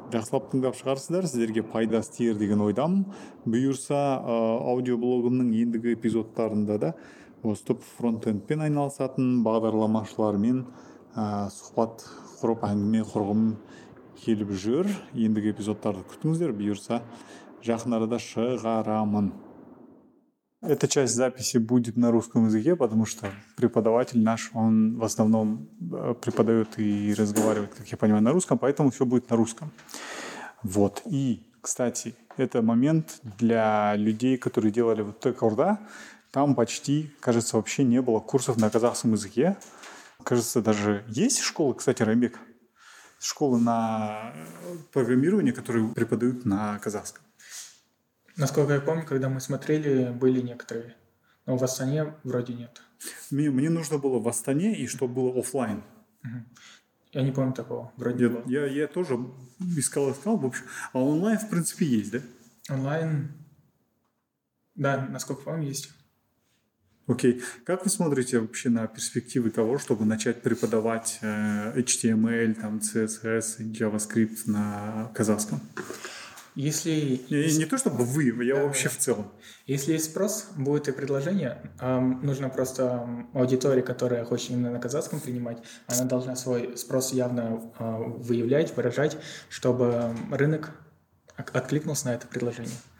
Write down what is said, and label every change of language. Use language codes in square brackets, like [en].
[kk] Жақсылап тыңдап шығарсыздар, сіздерге пайдасы тиер деген ойдамын. Бұйырса, аудиоблогымның ендігі эпизодтарында да осы фронт-эндпен айналысатын бағдарламашылармен сұхбат құрып, әңгіме құрғым келіп жүр. Ендігі эпизодтарды күтіңіздер, бұйырса, жақын арада шығарамын. [ru] Эта часть записи будет на русском языке, потому что преподаватель наш, он в основном преподает и разговаривает, как я понимаю, на русском, поэтому все будет на русском. Вот. И, кстати, это момент для людей, которые делали вот Текорда. Там почти, кажется, вообще не было курсов на казахском языке. Кажется, даже есть школы, кстати, Рамбек, школы на программирование, которые преподают на казахском. Насколько я помню, когда мы смотрели, были некоторые. Но в Астане вроде нет. Мне нужно было в Астане, и чтобы было офлайн. Я не помню такого. Вроде нет, я тоже искал, в общем. А онлайн, в принципе, есть, да? Онлайн? Да, насколько помню, есть. Окей. Как вы смотрите вообще на перспективы того, чтобы начать преподавать HTML, там, CSS, JavaScript на казахском? Если не то чтобы вы, я да, вообще в целом. Если есть спрос, будет и предложение. Нужно просто аудитория, которая хочет именно на казахском принимать, она должна свой спрос явно выявлять, выражать, чтобы рынок откликнулся на это предложение.